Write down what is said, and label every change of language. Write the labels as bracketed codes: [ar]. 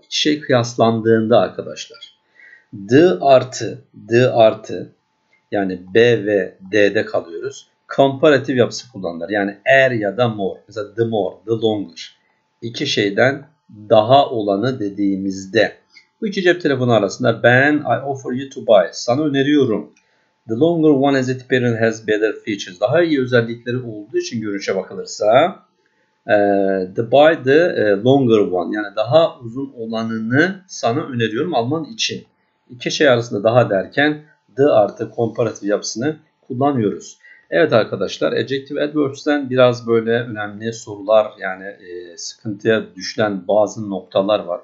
[tr] İki şey kıyaslandığında arkadaşlar. D artı yani B ve D'de kalıyoruz. Comparative yapısı kullanılır. Yani er ya da more. Mesela [en] the more, the longer. [tr] İki şeyden daha olanı dediğimizde. Bu iki cep telefonu arasında ben [en] I offer you to buy. [tr] Sana öneriyorum. [en] The longer one is it has better features. [tr] Daha iyi özellikleri olduğu için görünüşe bakılırsa [en] the longer one [tr] yani daha uzun olanını sana öneriyorum alman için. İki şey arasında daha derken the artı comparative yapısını kullanıyoruz. Evet arkadaşlar, Ejective Adverbs'ten biraz böyle önemli sorular, yani sıkıntıya düşen bazı noktalar var.